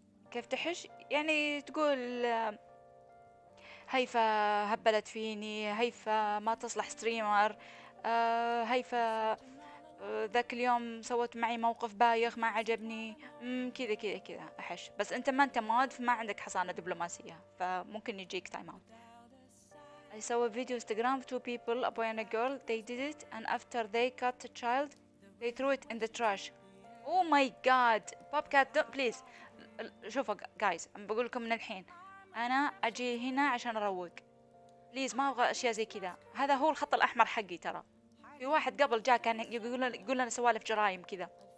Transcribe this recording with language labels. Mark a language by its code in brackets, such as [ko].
[ar] كيف تحش؟ يعني تقول هيفا هبلت فيني، هيفا ما تصلح ستريمر، هيفا ذاك اليوم سوت معي موقف بايخ ما عجبني، كذا كذا كذا احش. بس انت ما انت مود، فما عندك حصانة دبلوماسية، فممكن يجيك تايم اوت. [en] I saw a video Instagram of two people, a boy and a girl. They did it, and after they cut a child, they threw it in the trash. Oh my God, Bobcat, don't please. [ar] شوف [en] guys, I'm [ar] بقول لكم من الحين. أنا أجي هنا عشان أروق. Please, ما أبغى أشياء زي كذا. هذا هو الخط الأحمر حقي ترى. في واحد قبل جاء كان يقول لنا سوالف جرائم كذا.